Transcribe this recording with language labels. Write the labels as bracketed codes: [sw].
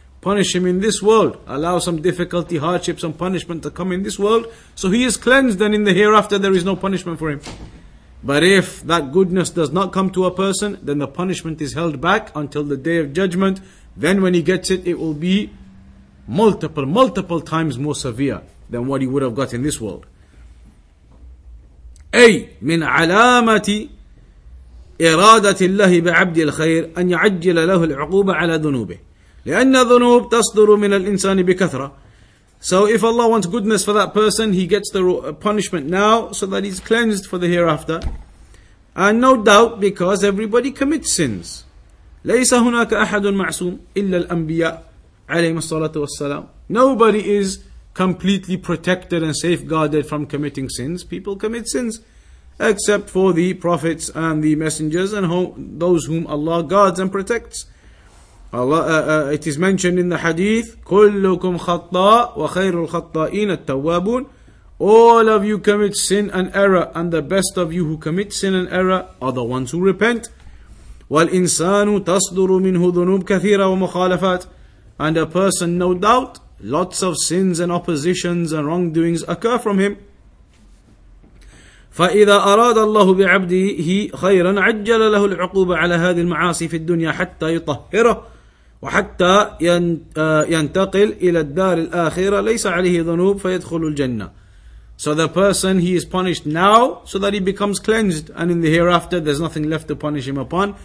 [en] punish him in this world, allow some difficulty, hardship, some punishment to come in this world, so he is cleansed, and in the hereafter there is no punishment for him. But if that goodness does not come to a person, then the punishment is held back until the day of judgment. Then when he gets it, it will be multiple times more severe than what he would have got in this world. [ar] أي من علامة إرادة الله بعبد الخير أن يعجل له العقوبة على ذنوبه لأن ذنوب تصدر من الإنسان بكثرة. [en] So if Allah wants goodness for that person, he gets the punishment now so that he's cleansed for the hereafter. And no doubt, because everybody commits sins. [ar] ليس هناك أحد معصوم إلا الأنبياء عليهم الصلاة والسلام. [en] Nobody is completely protected and safeguarded from committing sins. People commit sins, except for the prophets and the messengers and those whom Allah guards and protects. It is mentioned in the hadith, [ar] كلكم خطاء وخير الخطائين التوابون. [en] All of you commit sin and error, and the best of you who commit sin and error are the ones who repent. [ar] والإنسان تصدر منه ذنوب كثيرة ومخالفات. [en] And a person, no doubt, lots of sins and oppositions and wrongdoings occur from him. [ar] فَإِذَا أَرَادَ اللَّهُ بِعَبْدِهِ خَيْرًا عَجَّلَ لَهُ الْعُقُوبَ عَلَى هَذِهِ الْمَعَاصِي فِي الدُّنْيَا حَتَّى يُطَهِّرَهُ وَحَتَّى يَنْتَقِلْ إِلَى الدَّارِ الْآخِرَةِ لَيْسَ عَلِهِ ذُنُوبٌ فَيَدْخُلُ الْجَنَّةِ. [en] So the person, he is punished now so that he becomes cleansed, and in the hereafter there's nothing left to punish him upon.